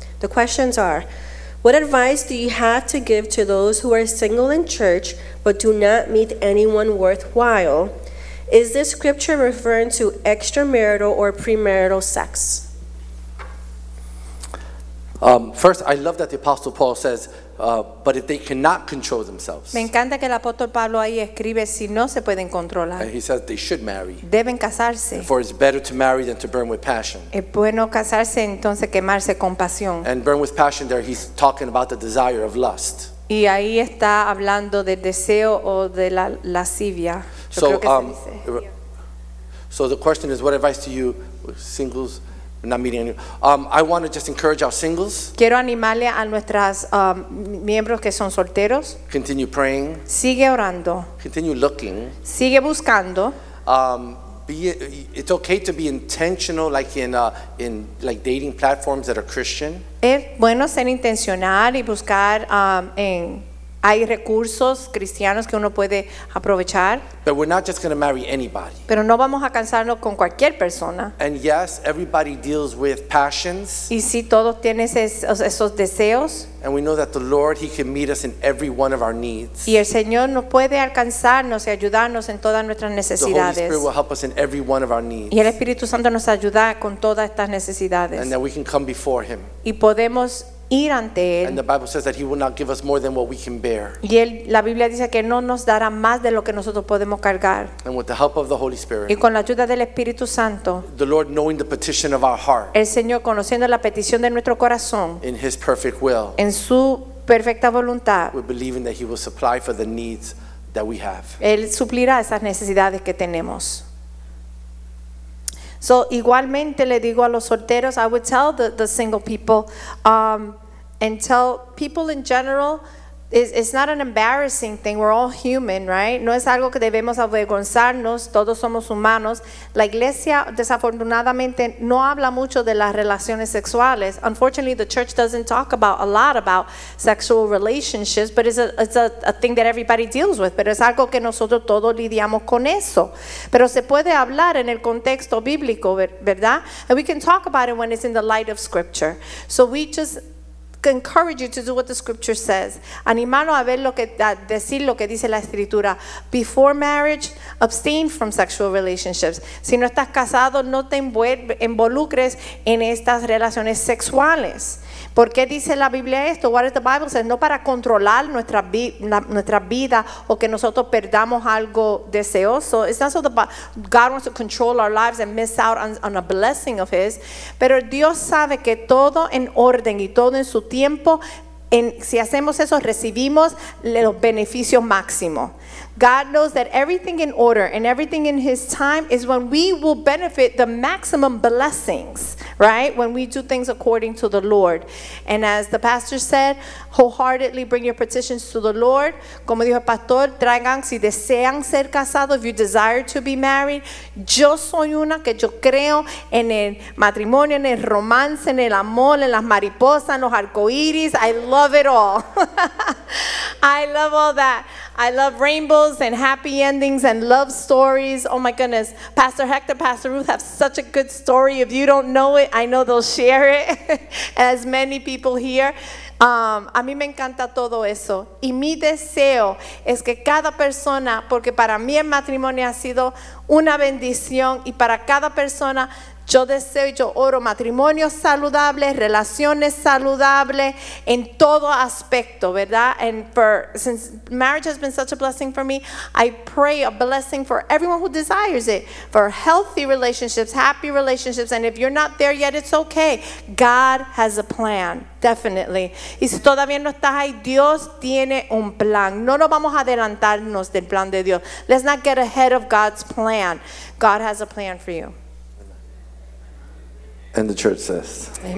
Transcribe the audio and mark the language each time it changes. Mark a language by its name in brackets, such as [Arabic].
[English] The questions are, what advice do you have to give to those who are single in church but do not meet anyone worthwhile? Is this scripture referring to extramarital or premarital sex? First, I love that the Apostle Paul says, but if they cannot control themselves. [Spanish] Me encanta que el apóstol Pablo ahí escribe si no se pueden controlar. [English] And he says they should marry. [Spanish] Deben casarse. [English] For it's better to marry than to burn with passion. [Spanish] Es bueno casarse entonces quemarse con pasión. [English] And burn with passion, there he's talking about the desire of lust. [Spanish] Y ahí está hablando del deseo o de la lascivia. [English] So, so the question is, what advice do you singles? Not meeting anyone. I want to just encourage our singles. [Spanish] Quiero animarle a nuestras miembros que son solteros. [English] Continue praying. [Spanish] Sigue orando. [English] Continue looking. [Spanish] Sigue buscando. [English] It's okay to be intentional, like in like dating platforms that are Christian. [Spanish] Es bueno ser intencional y buscar en Hay recursos cristianos que uno puede aprovechar. [English] But we're not just going to marry anybody. [Spanish] Pero no vamos a casarnos con cualquier persona. [English] And yes, everybody deals with passions. [Spanish] Y sí, todos tienen esos deseos. [English] And we know that the Lord, He can meet us in every one of our needs. [Spanish] Y el Señor nos puede alcanzarnos y ayudarnos en todas nuestras necesidades. [English] The Holy Spirit will help us in every one of our needs. [Spanish] Y el Espíritu Santo nos ayuda con todas estas necesidades. [English] And that we can come before Him. [Spanish] Y podemos ir ante él. [English] And the Bible says that He will not give us more than what we can bear. [Spanish] Y él, la Biblia dice que no nos dará más de lo que nosotros podemos cargar. [English] And with the help of the Holy Spirit. [Spanish] Y con la ayuda del Espíritu Santo. [English] The Lord knowing the petition of our heart. [Spanish] El Señor conociendo la petición de nuestro corazón. [English] In His perfect will. [Spanish] En su perfecta voluntad. [English] We're believing that He will supply for the needs that we have. [Spanish] Él suplirá esas necesidades que tenemos. [English] So [Spanish] igualmente le digo a los solteros, [English] I would tell the single people, and tell people in general, it's not an embarrassing thing. We're all human, right? [Spanish] No es algo que debemos avergonzarnos. Todos somos humanos. La iglesia, desafortunadamente, no habla mucho de las relaciones sexuales. [English] Unfortunately, the church doesn't talk about a lot about sexual relationships, but it's a thing that everybody deals with. [Spanish] Pero es algo que nosotros todos lidiamos con eso. Pero se puede hablar en el contexto bíblico, ¿verdad? [English] And we can talk about it when it's in the light of Scripture. So we just encourage you to do what the Scripture says. [Spanish] Animarlo a ver lo que a decir lo que dice la Escritura. [English] Before marriage, abstain from sexual relationships. [Spanish] Si no estás casado, no te involucres en estas relaciones sexuales. ¿Por qué dice la Biblia esto? [English] What does the Bible say? [Spanish] No para controlar nuestra vida o que nosotros perdamos algo deseoso. [English] It's not so that God wants to control our lives and miss out on a blessing of His. [Spanish] Pero Dios sabe que todo en orden y todo en su tiempo, si hacemos eso, recibimos los beneficios máximos. [English] God knows that everything in order and everything in His time is when we will benefit the maximum blessings, right? When we do things according to the Lord. And as the pastor said, wholeheartedly bring your petitions to the Lord. [Spanish] Como dijo el pastor, traigan si desean ser casados, [English] if you desire to be married. [Spanish] Yo soy una que yo creo en el matrimonio, en el romance, en el amor, en las mariposas, en los arcoíris. [English] I love it all. I love all that. I love rainbows and happy endings and love stories. Oh my goodness. Pastor Hector, Pastor Ruth have such a good story. If you don't know it, I know they'll share it as many people here. [Spanish] A mí me encanta todo eso. Y mi deseo es que cada persona, porque para mí el matrimonio ha sido una bendición, y para cada persona yo deseo y yo oro matrimonios saludables, relaciones saludables en todo aspecto, ¿verdad? [English] And for, since marriage has been such a blessing for me, I pray a blessing for everyone who desires it, for healthy relationships, happy relationships, and if you're not there yet, it's okay. God has a plan, definitely. [Spanish] Y si todavía no estás ahí, Dios tiene un plan. No nos vamos a adelantarnos del plan de Dios. [English] Let's not get ahead of God's plan. God has a plan for you. And the church says.